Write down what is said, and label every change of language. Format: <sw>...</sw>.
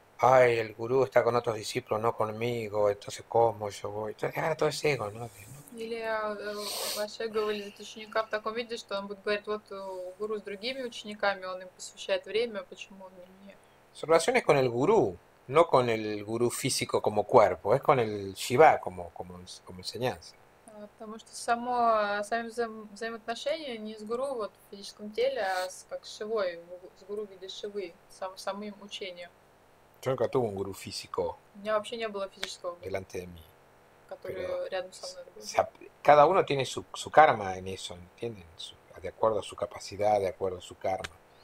<es>Ay, el gurú está con otros discípulos, no conmigo. Entonces, ¿cómo yo voy? Entonces, agarra todo ese ego, ¿no?</es> <ru>Или ваше эго вылезет ученика в таком виде, что он будет говорить, вот у гуру с другими учениками, он им посвящает время, почему он не мне?</ru> <es>Su relación es con el gurú. No con el gurú físico como cuerpo, es con el Shiva como enseñanza.</es> <ru>Потому что сами взаимоотношения не с гуру вот, в физическом теле, а как с Шивой, с гуру в виде Шивы, самим учением.</ru> <es>Yo nunca tuve un gurú físico</es> <ru>У меня вообще не было физического гуру,</ru> <es>delante de mí, pero</es> <ru>который рядом со мной был.</ru> <es>cada uno tiene su karma en eso, ¿entienden? De acuerdo a su capacidad, de acuerdo a su karma.</es>